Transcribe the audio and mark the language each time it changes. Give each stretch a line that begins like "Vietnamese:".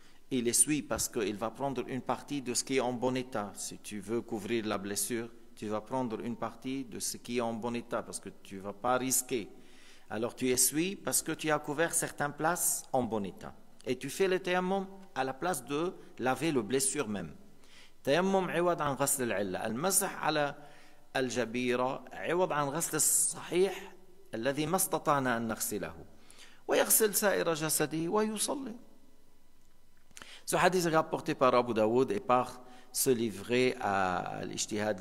French: Il essuie parce qu'il va prendre une partie de ce qui est en bon état. Si tu veux couvrir la blessure, tu vas prendre une partie de ce qui est en bon état parce que tu ne vas pas risquer. Alors tu essuies parce que tu as couvert certaines places en bon état. Et tu fais le tayammum à la place de laver la blessure même.
Arabic: تيمم عوض عن غسل العلة المسح على الجبيرة عوض عن غسل الصحيح الذي ما استطعنا أن نغسله ويغسل سائر جسده ويصلي.
French: Ce hadith est rapporté par Abu Dawood et par ce livré à l'Ijtihad.